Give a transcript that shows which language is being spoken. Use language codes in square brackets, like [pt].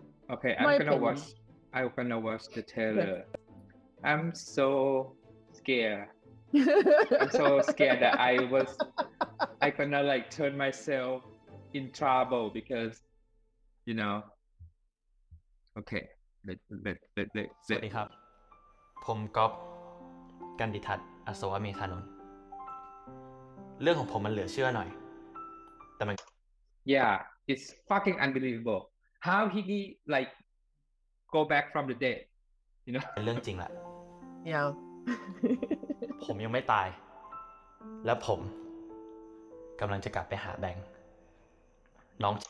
[en] Okay, I'm going to watch the trailer. I'm so scared. I'm so scared that I'm going to like turn myself in trouble because, you know, okay. [th] สวัสดีครับผมก๊อฟกันติทัศน์อัศวเมธานนท์เรื่องของผมมันเหลือเชื่อหน่อยแต่มัน [en] yeah it's fucking unbelievable how he like go back from the dead you know [th] เป็นเรื่องจริงแหละ [en] yeah [th] ผมยังไม่ตายและผมกำลังจะกลับไปหาแบงค์น้อง